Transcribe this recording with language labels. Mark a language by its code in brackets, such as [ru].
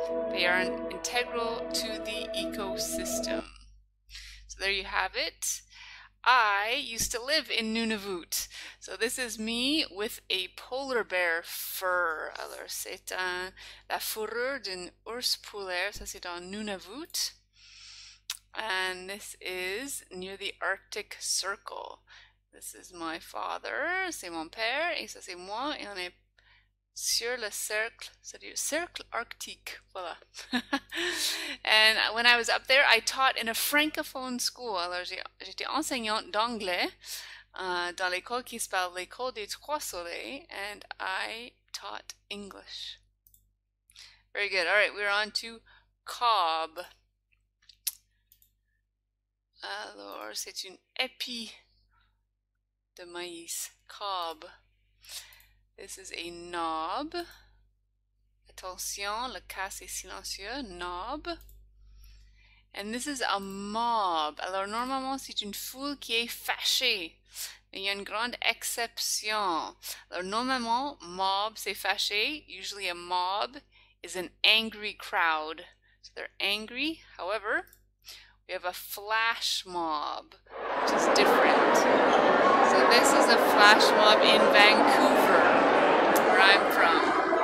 [en] They are integral to the ecosystem. So there you have it. I used to live in Nunavut. So this is me with a polar bear fur. [fr] Alors c'est la fourrure d'un ours polaire. Ça c'est dans Nunavut. [en] And this is near the Arctic Circle. This is my father. [fr] C'est mon père. Et ça c'est moi. Et on est sur le cercle, c'est-à-dire cercle arctique, voilà. [en] And when I was up there, I taught in a francophone school. [fr] Alors, j'étais enseignante d'anglais dans l'école qui s'appelle l'école des trois soleils, [en] and I taught English. Very good. All right, we're on to cob. [fr] Alors, c'est une épi de maïs, cob. [en] This is a knob. [fr] Attention, le casse est silencieux. [en] Knob. And this is a mob. [fr] Alors, normalement, c'est une foule qui est fâchée. Mais il y a une grande exception. Alors, normalement, mob, c'est fâché. [en] Usually, a mob is an angry crowd. So, they're angry. However, we have a flash mob, which is different. So, this is a flash mob in Vancouver. I'm from.